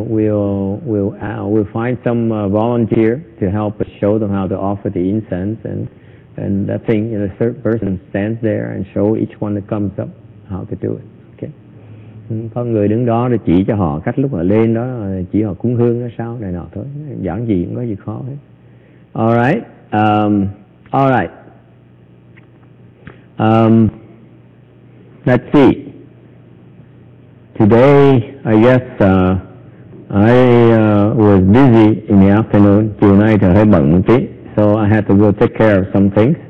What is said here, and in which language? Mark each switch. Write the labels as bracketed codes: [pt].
[en] We'll find some volunteer to help show them how to offer the incense and that thing. You know, the third person stands there and show each one that comes up how to do it. Okay. [vi] Có người đứng đó để chỉ cho họ cách lúc mà lên đó, chỉ họ cúng hương đó sao này nọ thôi. Giản gì cũng có gì khó hết. [en] All right. Let's see. Today, I guess, I was busy in the afternoon. [vi] Chiều nay thì hơi bận một tí. [en] So I had to go take care of some things.